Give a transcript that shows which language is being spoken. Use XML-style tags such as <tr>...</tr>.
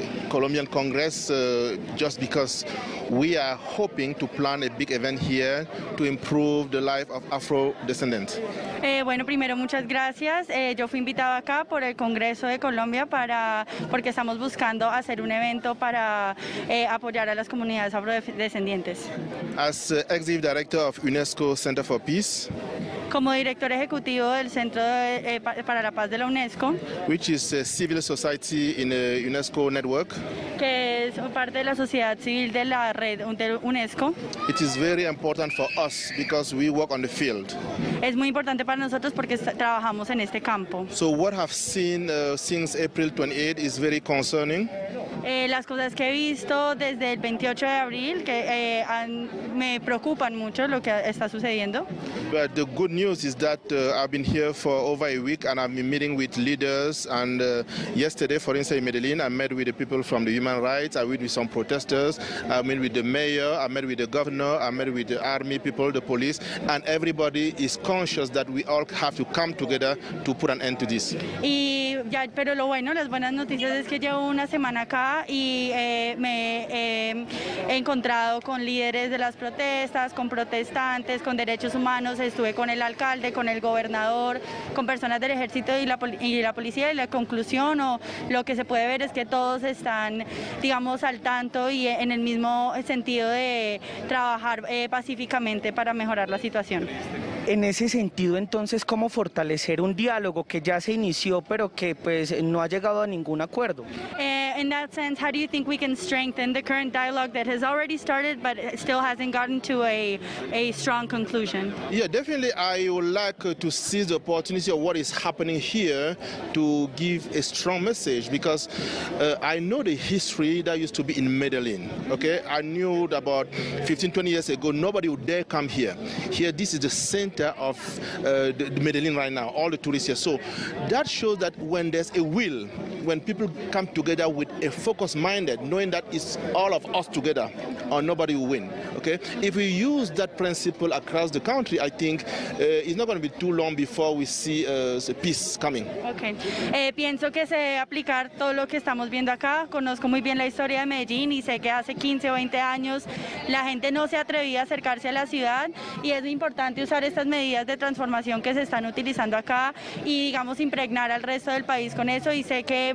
<en>Colombian Congress, just because we are hoping to plan a big event here to improve the life of Afro descendants.</en> <es>Bueno, primero muchas gracias. Yo fui invitado acá por el Congreso de Colombia porque estamos buscando hacer un evento para apoyar a las comunidades afrodescendientes.</es> <en>As executive director of UNESCO Center for Peace.</en> <es>Como director ejecutivo del Centro para la Paz de la UNESCO,</es> <en>which is a civil society in a UNESCO network,</en> <es>que es parte de la sociedad civil de la red de UNESCO.</es> <en>It is very important for us because we work on the field.</en> <es>Es muy importante para nosotros porque trabajamos en este campo.</es> <en>So what I've seen since April 28 is very concerning.</en> <es>Las cosas que he visto desde el 28 de abril que me preocupan mucho lo que está sucediendo.</es> <en>But the good news is that I've been here for over a week and I've been meeting with leaders. And yesterday, for instance, in Medellin, I met with the people from the human rights. I met with some protesters. I met with the mayor. I met with the governor. I met with the army people, the police, and everybody is conscious that we all have to come together to put an end to this.</en> <es>Pero lo bueno, las buenas noticias es que llevo una semana acá y me he encontrado con líderes de las protestas, con protestantes, con derechos humanos, estuve con el alcalde, con el gobernador, con personas del ejército y la policía, y la conclusión o lo que se puede ver es que todos están, digamos, al tanto y en el mismo sentido de trabajar pacíficamente para mejorar la situación. En ese sentido, entonces, ¿cómo fortalecer un diálogo que ya se inició pero que pues no ha llegado a ningún acuerdo?</es> <en>In that sense, how do you think we can strengthen the current dialogue that has already started but still hasn't gotten to a strong conclusion? Yeah, definitely I would like to seize the opportunity of what is happening here to give a strong message, because I know the history that used to be in Medellin, okay? I knew about 15, 20 years ago, nobody would dare come here. Here, this is the center of the Medellin right now, all the tourists here. So that shows that when there's a will, when people come together with a focus-minded, knowing that it's all of us together or nobody will win, okay? If we use that principle across the country, I think it's not going to be too long before we see peace coming. Okay.</en> <es>Pienso que se aplicar todo lo que estamos viendo acá. Conozco muy bien la historia de Medellín y sé que hace 15 o 20 años la gente no se atrevía a acercarse a la ciudad, y es importante usar estas medidas de transformación que se están utilizando acá y, digamos, impregnar al resto del país con eso, y sé que</es>